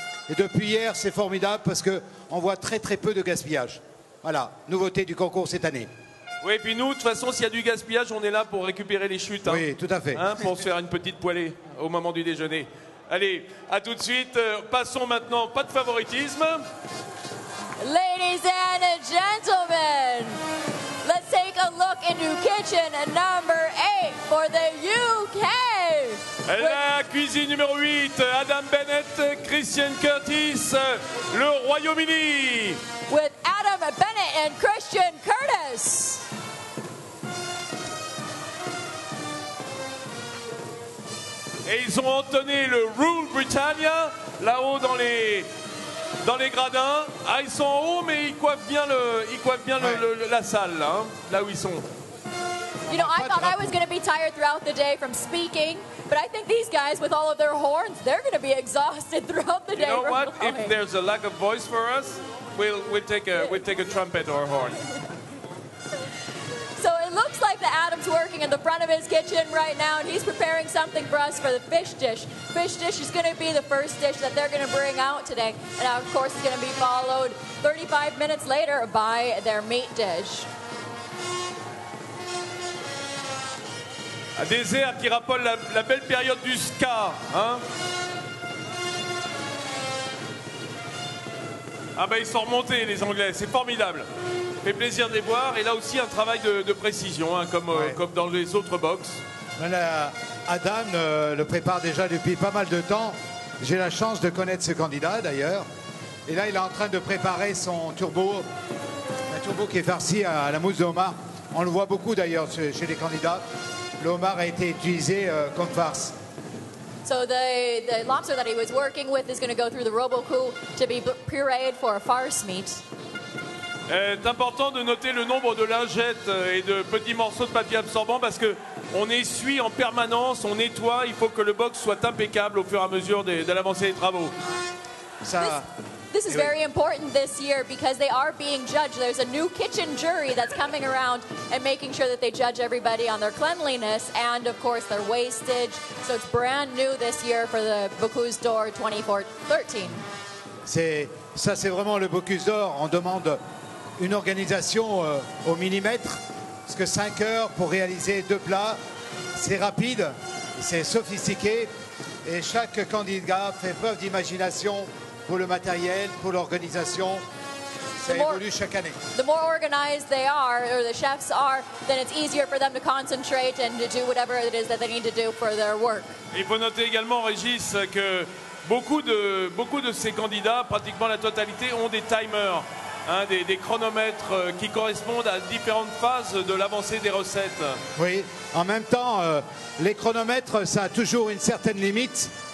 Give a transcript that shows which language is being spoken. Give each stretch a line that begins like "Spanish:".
French: Et depuis hier, c'est formidable parce qu'on voit très très peu de gaspillage. Voilà, nouveauté du concours cette année. Oui, et puis nous, de toute façon, s'il y a du gaspillage, on est là pour récupérer les chutes. Hein, oui, tout à fait. Hein, pour se faire une petite poêlée au moment du déjeuner. Allez, à tout de suite. Passons maintenant, pas de favoritisme.
English: Ladies and gentlemen, let's take a look into kitchen number 8 for the UK.
French: La cuisine numéro 8, Adam Bennett, Christian Curtis, le Royaume-Uni.
English: With Adam Bennett and Christian Curtis.
French: Et ils ont entonné le Rule Britannia, là-haut dans les dans les gradins. Ah, ils sont en haut, mais ils coiffent bien le, ils coiffent bien la salle, hein, là où ils sont.
English: You know, I thought I was going to be tired throughout the day from speaking, but I think these guys, with all of their horns, they're going to be exhausted throughout the day. You know what? If there's a lack of voice for us, we'll take a trumpet or a horn. So it looks like the Adam's working in the front of his kitchen right now, and he's preparing something for us for the fish dish. Fish dish is going to be the first dish that they're going to bring out today, and of course, it's going to be followed 35 minutes later by their meat dish.
French: Des airs qui rappellent la belle période du ska, hein. Ah ben ils sont remontés les Anglais, c'est formidable. Ça fait plaisir de les voir et là aussi un travail de précision, hein, comme dans les autres box. Adam le prépare déjà depuis pas mal de temps. J'ai la chance de connaître ce candidat d'ailleurs. Et là il est en train de préparer son turbo, un turbo qui est farci à la mousse de homard. On le voit beaucoup d'ailleurs chez les candidats. Le homard a été utilisé comme farce.
English: So the lobster that he was working with is going to go through the robo-coup to be pureed for a farce meat.
French: C'est important de noter le nombre de lingettes et de petits morceaux de papier absorbant parce que on essuie en permanence, on nettoie. Il faut que le box soit impeccable au fur et à mesure de l'avancée des travaux.
English: This is very important this year because they are being judged. There's a new kitchen jury that's coming around and making sure that they judge everybody on their cleanliness and, of course, their wastage. So it's brand new this year for the Bocuse d'Or 2013.
French: C'est vraiment le Bocuse d'Or. On demande une organisation au millimètre, parce que 5 heures pour réaliser deux plats, c'est rapide, c'est sophistiqué, et chaque candidat fait preuve d'imagination. Pour le matériel, pour l'organisation, ça évolue chaque année.
English: The more organized they are, or the chefs are, then it's easier for them to concentrate and to do whatever it is that they need to do for their work.
French: Il faut noter également, Régis, que beaucoup de ces candidats, pratiquement la totalité, ont des timers, hein, des chronomètres qui correspondent à différentes phases de l'avancée des recettes. Oui, en même temps, les chronomètres, ça a toujours une certaine limite.